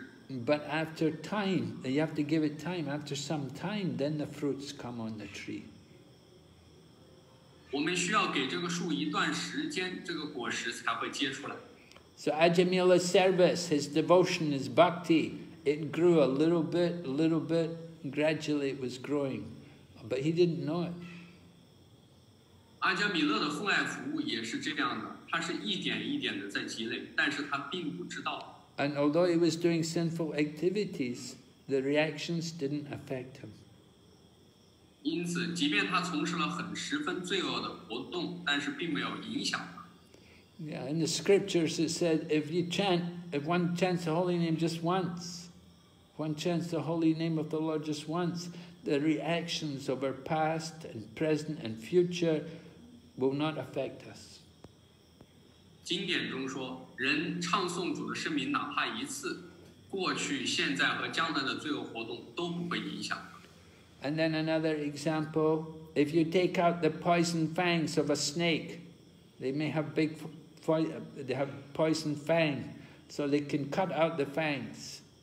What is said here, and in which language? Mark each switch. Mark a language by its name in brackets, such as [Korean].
[English] But after time, you have to give it time, after some time, then the fruits come on the tree. [Chinese] 我们需要给这个树一段时间，这个果实才会结出来。 [English] So Ajāmila's service, his devotion, his bhakti, it grew a little bit, and gradually it was growing. But he didn't know it. [Chinese] 阿姜米勒的奉爱服务也是这样的，他是一点一点的在积累，但是他并不知道。 [English] And although he was doing sinful activities, the reactions didn't affect him. [Chinese] 因此，即便他从事了很十分罪恶的活动，但是并没有影响他。 [English] Yeah, in the scriptures it said, if you chant if one chants the holy name just once, one chants the holy name of the Lord just once, the reactions of our past and present and future will not affect us. [Chinese] 经典中说,人唱诵主的圣名哪怕一次, 过去,现在和将来的罪恶活动都不会影响。 [English] And then another example, if you take out the poison fangs of a snake, they may have big, they have poison fang, so they can cut out the fangs.